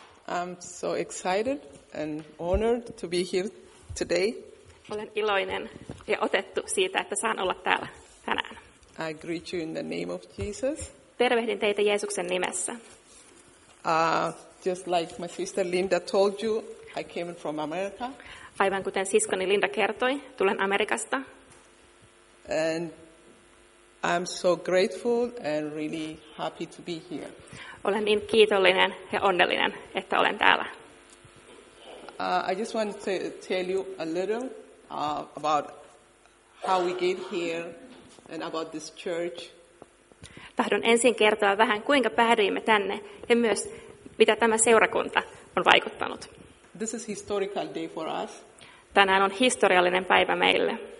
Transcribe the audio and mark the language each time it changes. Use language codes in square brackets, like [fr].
[en] I'm so excited and honored to be here today. [fi] Olen iloinen ja otettu siitä, että saan olla täällä tänään. [en] I greet you in the name of Jesus. [fi] Tervehdin teitä Jeesuksen nimessä. [en] Just like my sister Linda told you, I came from America. [fi] Aivan kuten siskoni Linda kertoi, tulen Amerikasta. [en] And I'm so grateful and really happy to be here. [fi] Olen niin kiitollinen ja onnellinen, että olen täällä. [en] I just want to tell you a little about how we get here and about this church. [fi] Tahdon ensin kertoa vähän, kuinka päädyimme tänne ja myös mitä tämä seurakunta on vaikuttanut. [en] This is historical day for us. [fi] Tänään on historiallinen päivä meille.